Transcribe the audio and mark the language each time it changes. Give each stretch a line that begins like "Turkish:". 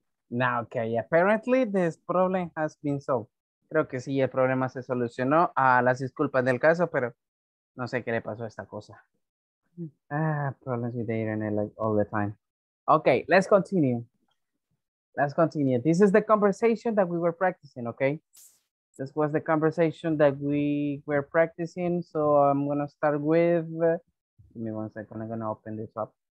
English: Now, okay, apparently this problem has been solved.
Spanish: Creo que sí, el problema se solucionó. Las disculpas del caso, pero no sé qué le pasó a esta cosa.
English: Problems with the internet like all the time. Okay, let's continue. Let's continue. This is the conversation that we were practicing, okay? This was the conversation that we were practicing. So I'm gonna start with, give me 1 second, I'm gonna open this up.